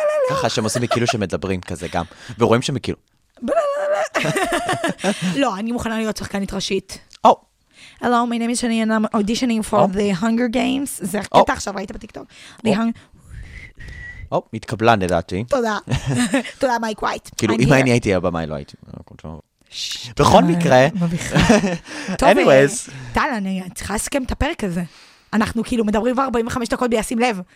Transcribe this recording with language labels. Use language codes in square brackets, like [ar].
[he] ככה שהם עושים כאילו שמדברים כזה גם, ורואים שהם כאילו... לא, אני מוכנה להיות שחקנית ראשית. או. [en] Hello, my name is Shani and I'm auditioning for the Hunger Games. [he] זה קטע עכשיו, ראית בטיקטוק. או, התקבלה נדעתי. תודה. תודה, מייק ווייט. כאילו, אם אני הייתי הבא, מי לא הייתי. בכל מקרה. טוב, טל, אני צריכה לסכם את הפרק הזה. אנחנו כאילו מדברים 45 דקות בישים לב.